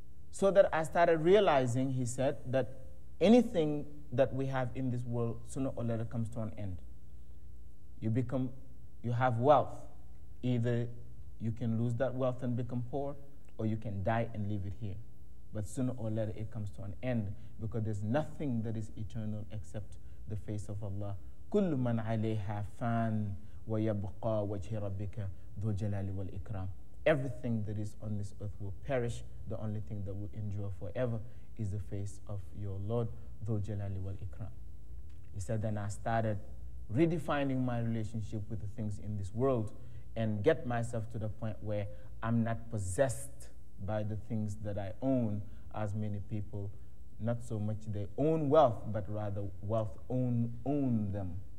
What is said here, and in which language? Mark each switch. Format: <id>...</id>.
<en>So that I started realizing, he said, that anything that we have in this world sooner or later comes to an end. You have wealth. Either you can lose that wealth and become poor, or you can die and leave it here. But sooner or later it comes to an end because there's nothing that is eternal except the face of Allah.</en> <ar>كل من عليها فان ويبقى وجه ربك ذو الجلال والإكرام.</ar> <en>Everything that is on this earth will perish. The only thing that will endure forever is the face of your Lord,</en> <ar>ذو الجلال والإكرام.</ar> <en>He said, then I started redefining my relationship with the things in this world and get myself to the point where I'm not possessed by the things that I own as many people, not so much they own wealth, but rather wealth own them.</en>